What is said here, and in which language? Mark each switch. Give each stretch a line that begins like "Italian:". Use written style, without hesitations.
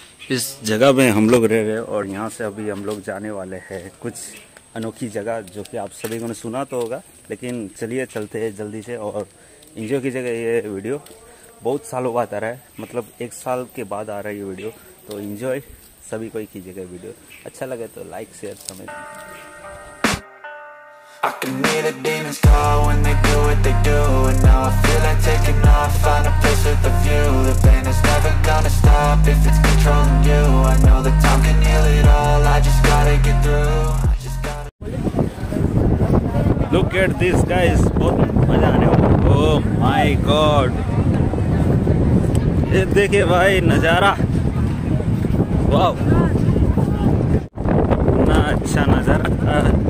Hindi: इस जगह में हम लोग रह रहे हैं और यहाँ से अभी हम लोग जाने वाले हैं कुछ अनोखी जगह जो कि आप सभी ने सुना तो होगा, लेकिन चलिए चलते हैं जल्दी से और इंजॉय कीजिएगा ये वीडियो। बहुत सालों बाद आ रहा है, मतलब एक साल के बाद आ रहा है ये वीडियो, तो इंजॉय सभी को ही कीजिएगा। वीडियो अच्छा लगे तो लाइक शेयर समझ।
English: I can hear the demons call when they do what they do. And now I feel like taking off, find a place with a view. The pain is never gonna stop if it's controlling you. I know the time can heal it all, I just gotta get through. Look at this guys,
Hindi: बहुत मजा आने वाला।
English: Oh my god,
Hindi: ये देखिए भाई नजारा, wow, इतना अच्छा नजारा।